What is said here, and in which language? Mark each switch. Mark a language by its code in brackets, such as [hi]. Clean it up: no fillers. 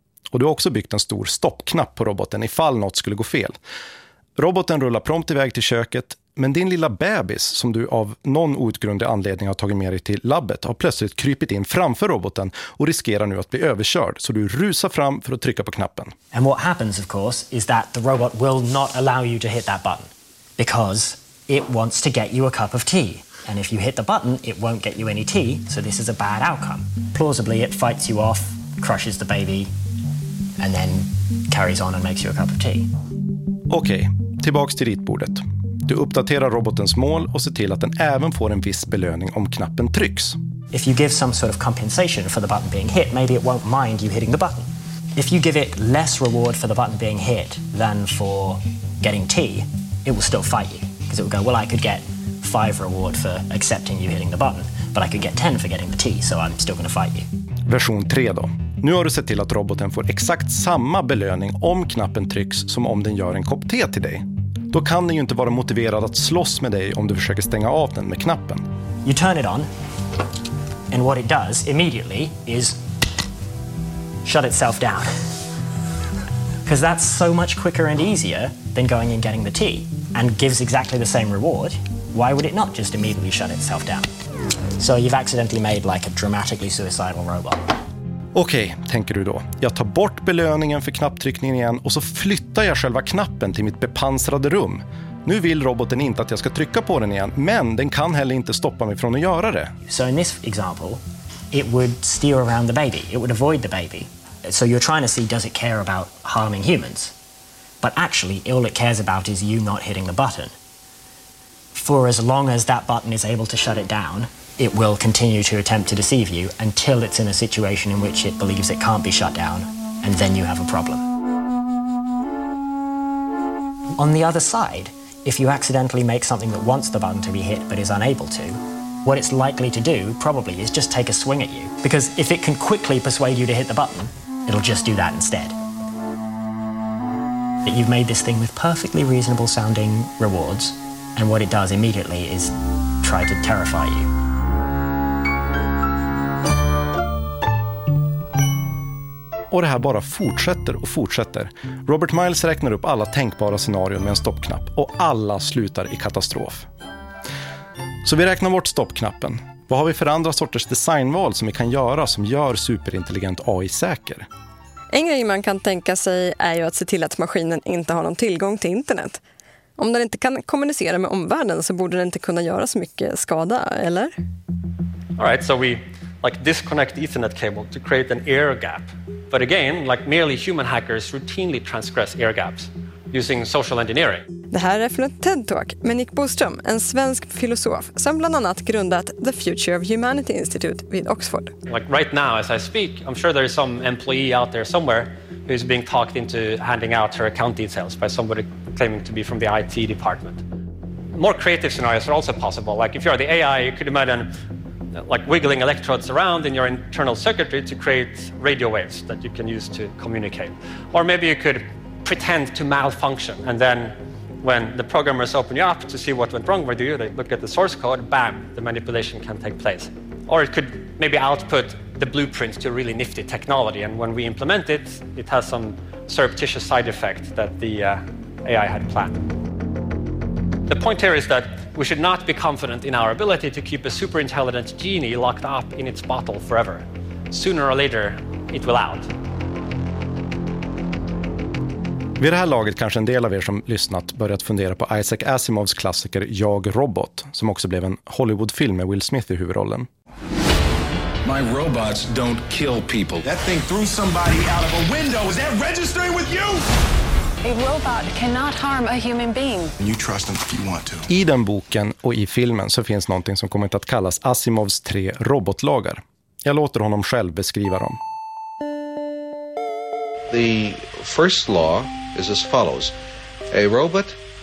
[sv] Och du har också byggt en stor stoppknapp på roboten ifall något skulle gå fel. Roboten rullar prompt iväg till köket, men din lilla bebis som du av någon outgrundlig anledning har tagit med dig till labbet har plötsligt krypit in framför roboten och riskerar nu att bli överkörd, så du rusar fram för att trycka på knappen. [en] And what happens of course is that the robot will not allow you to hit that button because it wants to get you a cup of tea. And if you hit the button, it won't get you any tea, so this is a bad outcome. Plausibly it fights you off, crushes the baby and then carries on and makes you a cup of tea. [sv] Okej, tillbaks till ritbordet. Du uppdaterar robotens mål och ser till att den även får en viss belöning om knappen trycks. [en] If you give some sort of compensation for the button being hit, maybe it won't mind you hitting the button. If you give it less reward for the button being hit than for getting tea, it will still fight you. Because it will go, well, I could get 5 reward for accepting you hitting the button, but I could get 10 for getting the tea, so I'm still going to fight you. [sv] Version 3 då. Nu har du sett till att roboten får exakt samma belöning om knappen trycks som om den gör en kopp te till dig. Då kan den ju inte vara motiverad att slåss med dig om du försöker stänga av den med knappen. [en] You turn it on and what it does immediately is shut itself down. Because that's so much quicker and easier than going and getting the tea and gives exactly the same reward. Why would it not just immediately shut itself down? So you've accidentally made like a dramatically suicidal robot. [sv] Okej, tänker du då. Jag tar bort belöningen för knapptryckningen igen och så flyttar jag själva knappen till mitt bepansrade rum. Nu vill roboten inte att jag ska trycka på den igen, men den kan heller inte stoppa mig från att göra det. [en] So in this example, it would steer around the baby. It would avoid the baby. So you're trying to see does it care about harming humans? But actually, all it cares about is you not hitting the button. For as long as that button is able to shut it down, it will continue to attempt to deceive you until it's in a situation in which it believes it can't be shut down, and then you have a problem. On the other side, if you accidentally make something that wants the button to be hit but is unable to, what it's likely to do, probably, is just take a swing at you. Because if it can quickly persuade you to hit the button, it'll just do that instead. But you've made this thing with perfectly reasonable sounding rewards, and what it does immediately is try to terrify you. [sv] Och det här bara fortsätter och fortsätter. Robert Miles räknar upp alla tänkbara scenarion med en stoppknapp och alla slutar i katastrof. Så vi räknar bort stoppknappen. Vad har vi för andra sorters designval som vi kan göra som gör superintelligent AI säker? En grej man kan tänka sig är ju att se till att maskinen inte har någon tillgång till internet. Om den inte kan kommunicera med omvärlden så borde den inte kunna göra så mycket skada, eller? [en] All right, so we like disconnect the ethernet cable to create an air gap. But again, like merely human hackers routinely transgress air gaps using social engineering. [sv] Det här är från ett TED-talk med Nick Boström, en svensk filosof som bland annat grundat The Future of Humanity Institute vid Oxford. [en] Like right now as I speak, I'm sure there is some employee out there somewhere who's being talked into handing out her account details by somebody claiming to be from the IT department. More creative scenarios are also possible. Like if you're the AI, you could imagine like wiggling electrodes around in your internal circuitry to create radio waves that you can use to communicate. Or maybe you could pretend to malfunction and then when the programmers open you up to see what went wrong with you, they look at the source code, bam, the manipulation can take place. Or it could maybe output the blueprint to a really nifty technology and when we implement it, it has some surreptitious side effect that the AI had planned. The point here is that we should not be confident in our ability to keep a super intelligent genie locked up in its bottle forever. Sooner or later, it will out. [sv] Vid det här laget kanske en del av er som lyssnat börjat fundera på Isaac Asimovs klassiker Jag, robot, som också blev en Hollywoodfilm med Will Smith i huvudrollen. [en] My robots don't kill people. That thing threw somebody out of a window. Is that registering with you? A robot cannot harm a human being. You trust them if you want to. [sv] I den boken och i filmen så finns någonting som kommer att kallas Asimovs 3 robotlagar. Jag låter honom själv beskriva dem. [en] The first law is as follows. A robot